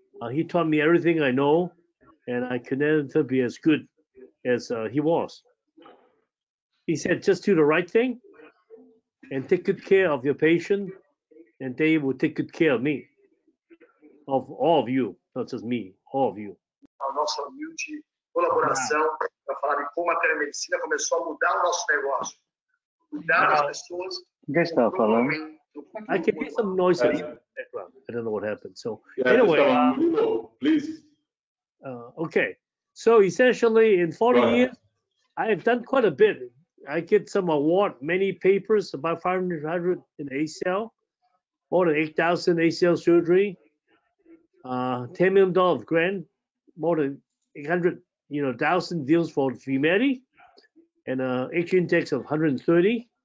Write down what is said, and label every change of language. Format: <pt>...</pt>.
<en>He taught me everything I know, and I could never be as good as he was. He said, just do the right thing and take good care of your patient, and they will take good care of me, of all of you, not just me, all of you.</en> <pt>A nossa humilde colaboração para falar de como a telemedicina começou a mudar o nosso negócio. Cuidar das pessoas. Quem está falando?</pt> <en>I can hear some noise in the background. I don't know what happened. So yeah, anyway, please. Okay. So essentially, in 40 years, I have done quite a bit. I get some award, many papers, about 500 in ACL, more than 8,000 ACL surgery, $10 million of grant, more than 800, you know, thousand deals for Vimedi, and H index of 130.</en>